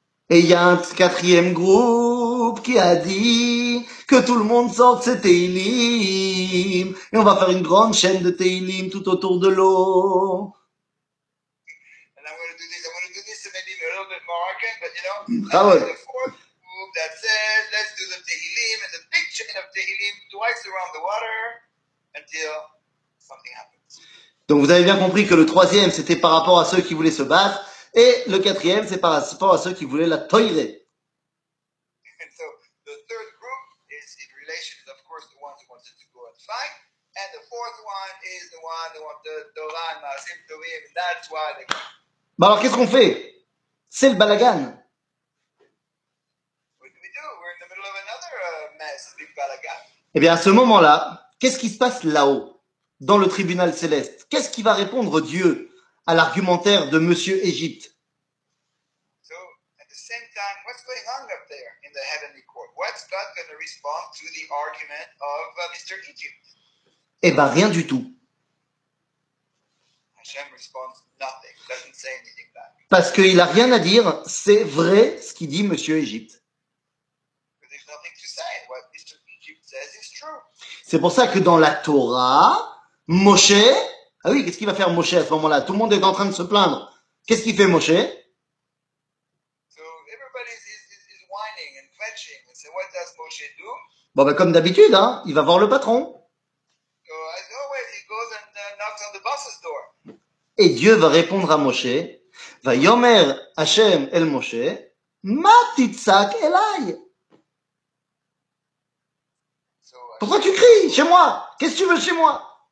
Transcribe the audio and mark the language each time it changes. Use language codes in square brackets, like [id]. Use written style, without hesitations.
[fr] Et il y a un quatrième groupe qui a dit que tout le monde sorte ses Teilim et on va faire une grande chaîne de Teilim tout autour de l'eau. [en] And I'm going to do this. I'm going to do this maybe a little bit Moroccan, but you know, the fourth group that says let's do the Teilim and the big chain of Teilim twice around the water until something happens. [fr] Donc vous avez bien compris que le troisième c'était par rapport à ceux qui voulaient se battre. Et le quatrième, c'est par rapport à ceux qui voulaient la toirer. [en] So, the third group is in relation, of course, the ones who wanted to go and fight. And the fourth one is the one who wanted the Doran, Masim, Tovim. That's why they come. [fr] Alors, qu'est-ce qu'on fait? C'est le balagan. [en] What do we do? We're in the middle of another mess, a big balagan. [fr] Eh bien, à ce moment-là, qu'est-ce qui se passe là-haut, dans le tribunal céleste? Qu'est-ce qui va répondre Dieu à l'argumentaire de Monsieur Égypte? [en] So, at the same time, what's going on up there in the heavenly court? What's God going to respond to the argument of Mr. Egypt? [fr] Eh bien, rien du tout. [en] Hashem responds nothing. Doesn't say anything back. [fr] Parce qu'il n'a rien à dire. C'est vrai ce qu'il dit Monsieur Égypte. [en] But there's nothing to say. What Mr. Egypt says is true. [fr] C'est pour ça que dans la Torah, Moshe... Ah oui, qu'est-ce qu'il va faire Moshe à ce moment-là? Tout le monde est en train de se plaindre. Qu'est-ce qu'il fait Moshe? [en] So everybody is whining and quetching. So what does Moshe do? [fr] Bon, ben, comme d'habitude, hein, il va voir le patron. [en] So as always, he goes and knocks on the boss's door. [fr] Et Dieu va répondre à Moshe. [he] Va yomer Hashem el Moshe, ma titsak elai. [fr] Pourquoi tu cries chez moi? Qu'est-ce que tu veux chez moi?